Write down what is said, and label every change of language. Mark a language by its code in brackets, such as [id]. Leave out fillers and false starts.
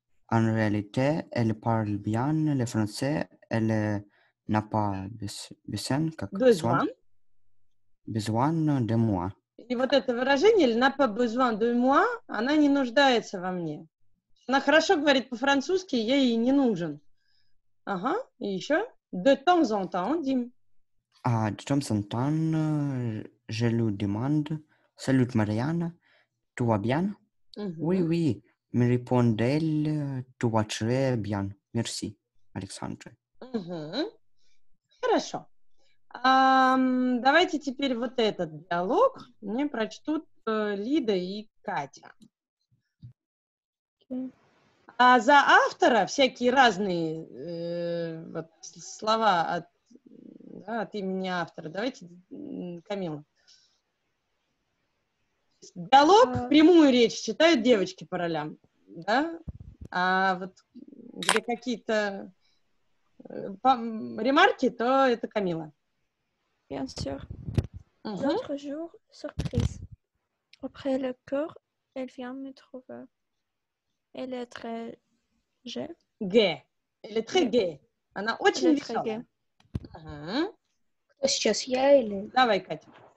[fr] En réalité, elle parle bien le français. Elle n'a pas besoin de moi. [ru] Et вот это выражение, [fr] elle n'a pas besoin de moi, [ru] она не нуждается во мне. Она хорошо говорит по-французски, я ей не нужен. Ага, и еще. [fr] De temps en temps, Dim. À Johnson-Town, je lui demande « Salut Marianne, tu vas bien? Mm-hmm. » Oui, oui, me répond elle « Tu vas très bien, merci, Alexandre. [ru] Mm-hmm. » Хорошо. Давайте теперь вот этот диалог мне прочтут Лида и Катя. А за автора всякие разные вот, слова от, да, от имени автора. Давайте, Камила. Диалог, прямую речь читают девочки по ролям, да? А вот где какие-то ремарки, то это Камила. [fr] Bien sûr. Mm-hmm. L'autre jour, surprise. Après le cours, elle vient me trouver. Elle est très gaie. Gaie. Elle est très gaie. [ru] Она очень веселая. [fr] Elle est très gaie. [ru] Сейчас я или... Давай, Катя.